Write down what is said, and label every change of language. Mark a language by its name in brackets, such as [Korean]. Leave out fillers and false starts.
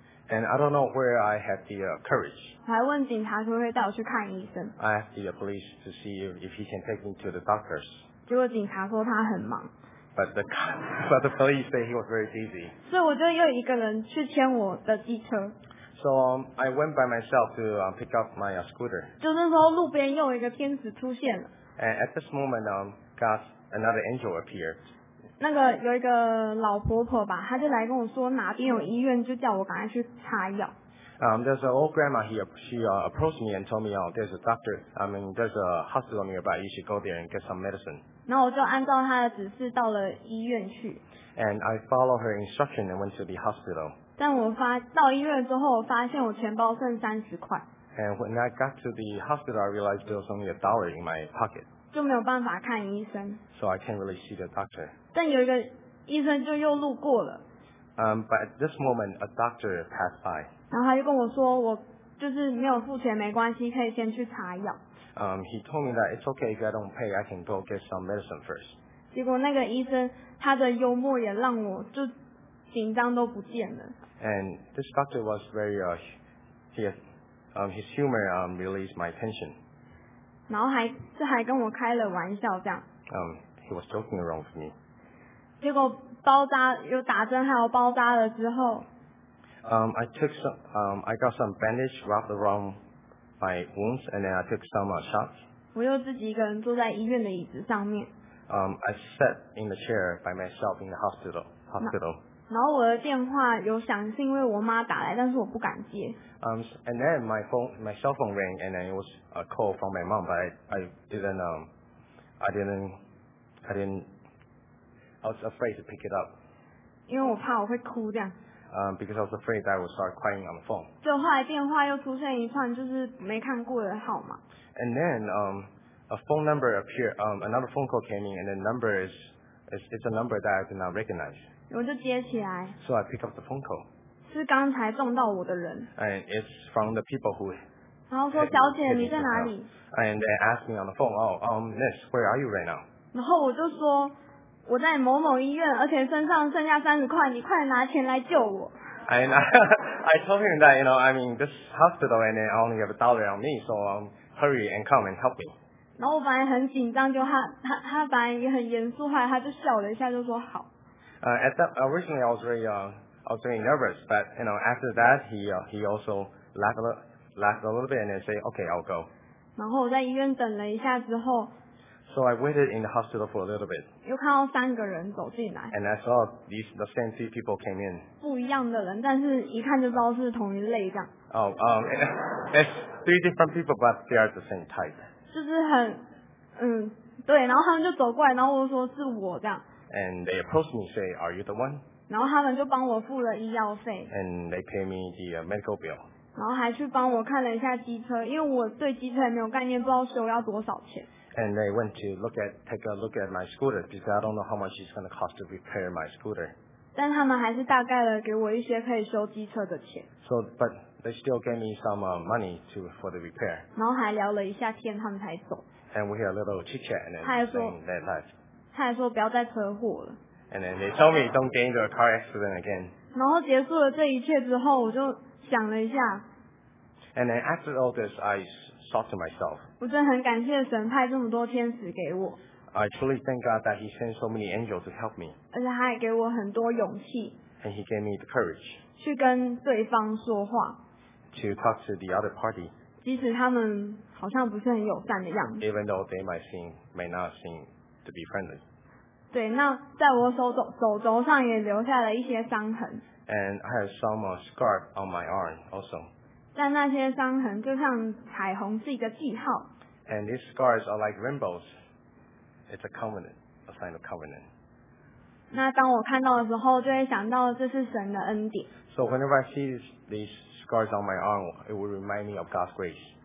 [English] And I don't know where I had the courage. [Chinese] 还问警察可不可以带我去看医生。 [English] I asked the police to see if he can take me to the doctors. [Chinese] 结果警察说他很忙。 [English] But the police said he was very busy. [Chinese] 所以我就又一个人去牵我的机车。 [English] So I went by myself to pick up my scooter. [Chinese] 就那时候路边又有一个天使出现了。 [English] And at this moment, God's another angel appeared. [Chinese] 那个有一个老婆婆吧，她就来跟我说哪边有医院，就叫我赶快去擦药。 [English] There's an old grandma here. She approached me and told me, "Oh, there's a doctor. I mean, there's a hospital nearby. You should go there and get some medicine." [Chinese] 然后我就按照她的指示到了医院去。 [English] And I followed her instruction and went to the hospital. [Chinese] 但我到医院之后，我发现我钱包剩30块。 [English] And when I got to the hospital, I realized there was only $1 in my pocket. [Chinese] 就没有办法看医生。 [English] So I can't really see the doctor. [Chinese] 但有一个医生就又路过了。 [English] But at this moment, a doctor passed by. [Chinese] 然后他就跟我说，我就是没有付钱没关系，可以先去查药。 [English] He told me that it's okay if I don't pay, I can go get some medicine first. [Chinese] 结果那个医生他的幽默也让我就紧张都不见了。 [English] And this doctor was very, his humor released my tension. [Chinese] 然后还跟我开了玩笑这样。 [English] He was joking around with me. [Chinese] 结果包扎有打针还有包扎了之后。 [English] I got some bandage wrapped around my wounds and then I took some shots. [Chinese] 我又自己一个人坐在医院的椅子上面。 [English] I sat in the chair by myself in the hospital. [Chinese] 然后我的电话有响，是因为我妈打来，但是我不敢接。 [English] And then my cell phone rang and then it was a call from my mom, but I was afraid to pick it up. [Chinese] 因为我怕我会哭这样。 [English] Because I was afraid that I would start crying on the phone. [Chinese] 就后来电话又出现一串就是没看过的号码。 [English] And then a phone number appeared, another phone call came in, and the number is a number that I did not recognize. [Chinese] 我就接起来。 [English] So I picked up the phone call. [Chinese] 是刚才撞到我的人。 [English] And it's from the people who. [Chinese] 然后说小姐你在哪里？ [English] And they asked me on the phone, oh, Miss, where are you right now? [Chinese] 然后我就说。我在某某医院，而且身上剩下30块，你快拿钱来救我。 [English] I told him that, you know, I'm in this hospital and I only have $1 on me, so hurry and come and help me. [Chinese] 然后我本来很紧张，就他本来也很严肃，后来他就笑了一下，就说好。 [English] Originally I was very nervous, but you know after that he also laughed a little bit and then say, okay, I'll go. [Chinese] 然后我在医院等了一下之后。 [English] So I waited in the hospital for a little bit. [Chinese] 又看到三个人走进来。 [English] And I saw the same three people came in. [Chinese] 不一样的人，但是一看就知道是同一类这样。 [English] It's three different people, but they are the same type. [Chinese] 就是很，对，然后他们就走过来，然后我说是我这样。 [English] And they approached me, say, "Are you the one?" [Chinese] 然后他们就帮我付了医药费。 [English] And they paid me the medical bill. [Chinese] 然后还去帮我看了一下机车，因为我对机车也没有概念，不知道修要多少钱。 [English] And they went to take a look at my scooter because I don't know how much it's going to cost to repair my scooter. [Chinese] 但他们还是大概的给我一些可以修机车的钱。 [English] So, but they still gave me some money for the repair. [Chinese] 然后还聊了一下天，他们才走。 [English] And we had a little chit chat and then they left. [Chinese] 他还说不要再车祸了。 [English] And then they told me don't get into a car accident again. [Chinese] 然后结束了这一切之后，我就想了一下。 [English] And then after all this, I thought to myself. [Chinese] 我真的很感谢神派这么多天使给我。 [English] I truly thank God that He sent so many angels to help me. [Chinese] 而且他也给我很多勇气。 [English] And He gave me the courage. [Chinese] 去跟对方说话。 [English] To talk to the other party. [Chinese] 即使他们好像不是很友善的样子。 [English] Even though they may not seem to be friendly. [Chinese] 对，那在我手肘上也留下了一些伤痕。 [English] And I have some scar on my arm also. [Chinese] 但那些伤痕就像彩虹是一个记号。 [English] And these scars are like rainbows. It's a covenant, a sign of covenant. [Chinese] 那当我看到的时候，就会想到这是神的恩典。 [English] So whenever I see these scars on my arm, it will remind me of God's grace.